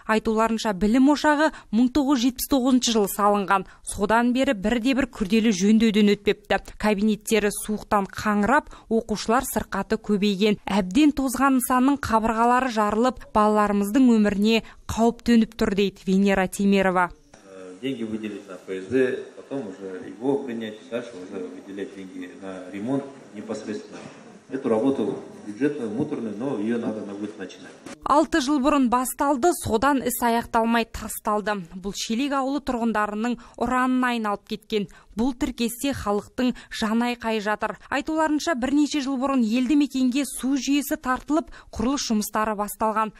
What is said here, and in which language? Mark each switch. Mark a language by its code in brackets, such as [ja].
[kk] Айтуларынша білім ошағы 1979 жылы салынған. Содан бері бірде-бір күрделі жөндеуден өтпепті. Кабинеттері суықтан қаңырап, оқушылар сырқаты көбейген. Әбден тозған нысанның қабырғалары жарылып, балаларымыздың өміріне қауіп төніп тұр, дейді Венера Темирова. [ru] Деньги выделить на ФСД, потом уже его принять, дальше уже выделять деньги на ремонт непосредственно. Эту работу бюджетную, муторную, но ее надо будет начинать. [kk] 6 жыл бұрын басталды, содан іс аяқталмай тасталды. Бұл Шелек ауылы тұрғындарының ұранын айналып кеткен. Бұл тіркесте халықтың жанай қай жатыр. Айтуларынша бірнеше жыл бұрын елді мекенге су жүйесі тартылып, құрылыс жұмыстары басталған.